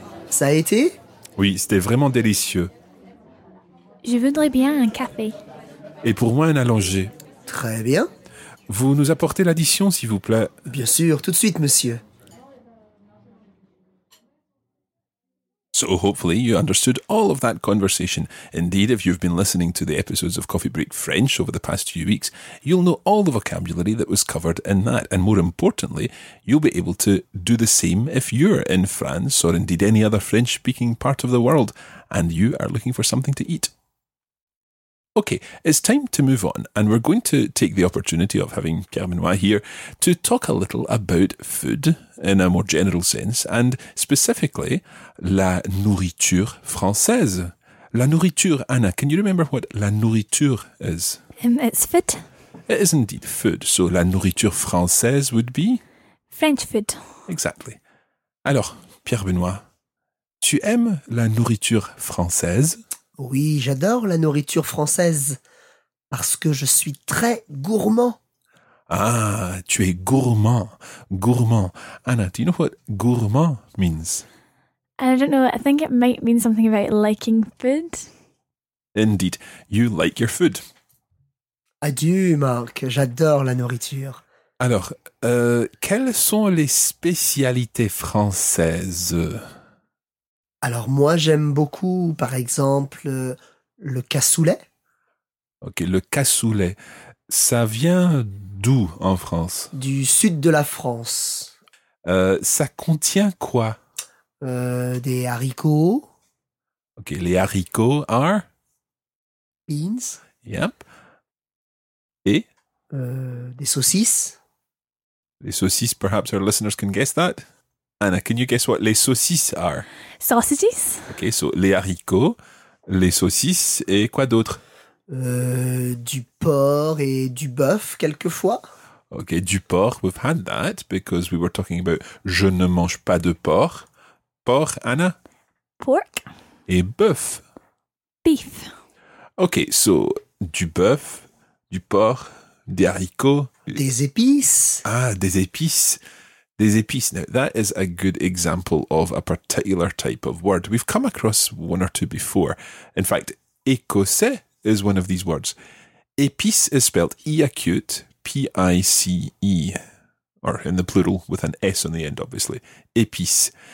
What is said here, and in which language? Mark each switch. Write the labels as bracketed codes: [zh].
[fr] Ça a été? Oui, c'était vraiment délicieux. Je voudrais bien un café. Et pour moi, un allongé. Très bien. Vous nous apportez l'addition, s'il vous plaît? Bien sûr, tout de suite, monsieur. [en] So hopefully you understood all of that conversation. Indeed, if you've been listening to the episodes of Coffee Break French over the past few weeks, you'll know all the vocabulary that was covered in that. And more importantly, you'll be able to do the same if you're in France or indeed any other French-speaking part of the world and you are looking for something to eat. Okay, it's time to move on, and we're going to take the opportunity of having Carmenois here to talk a little about food in a more general sense, and specifically, la nourriture française. La nourriture, Anna, can you remember what la nourriture is? It's food. It is indeed food. So la nourriture française would be? French food. Exactly. [fr] Alors, Pierre-Benoît, tu aimes la nourriture française? Oui, j'adore la nourriture française, parce que je suis très gourmand. Ah, tu es gourmand, gourmand. [en] Anna, do you know what gourmand means? I don't know, I think it might mean something about liking food. Indeed, you like your food. [fr] Adieu, Marc, j'adore la nourriture. Alors, quelles sont les spécialités françaises? Alors moi, j'aime beaucoup, par exemple, le cassoulet. Ok, le cassoulet. Ça vient d'où en France? Du sud de la France. Ça contient quoi? Des haricots. Ok, les haricots are? [en] Beans. [fr] Yep. Et? Des saucisses. [en] Les saucisses, perhaps our listeners can guess that. Anna, can you guess what les saucisses are? Sausages. [fr] Okay, so les haricots, les saucisses et quoi d'autre? Du porc et du bœuf, quelquefois. [en] Okay, du porc, we've had that because we were talking about [fr] je ne mange pas de porc. [en] Porc, Anna? Pork. [fr] Et bœuf? [en] Beef. Okay, so [fr] du bœuf, du porc, des haricots. Des épices. Ah, des épices. Des épices. [en] Now, that is a good example of a particular type of word. We've come across one or two before. In fact, écossais is one of these words. Épice is spelled E-acute, P-I-C-E, or in the plural with an S on the end, obviously. Épice.